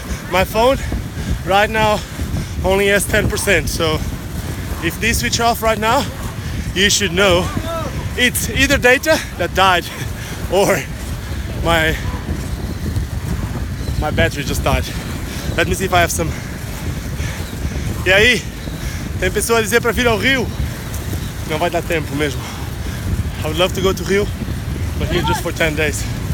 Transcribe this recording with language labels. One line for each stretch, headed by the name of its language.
English: My phone right now only has 10%, so if this switch off right now, you should know it's either data that died or my battery just died. Let me see if I have some.
Portuguese: E aí, tem pessoa a dizer para vir ao Rio? Não vai dar tempo mesmo.
English: I would love to go to Rio, but here just for 10 days.